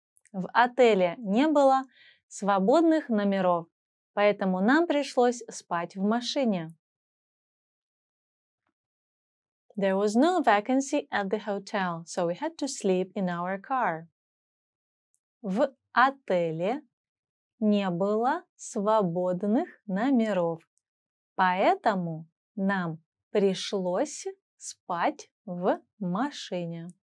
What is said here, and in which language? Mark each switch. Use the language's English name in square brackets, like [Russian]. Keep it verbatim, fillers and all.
[Russian] В отеле не было свободных номеров, поэтому нам пришлось спать в машине. [English] There was no vacancy at the hotel, so we had to sleep in our car. [Russian] В отеле не было свободных номеров, поэтому нам пришлось спать в машине.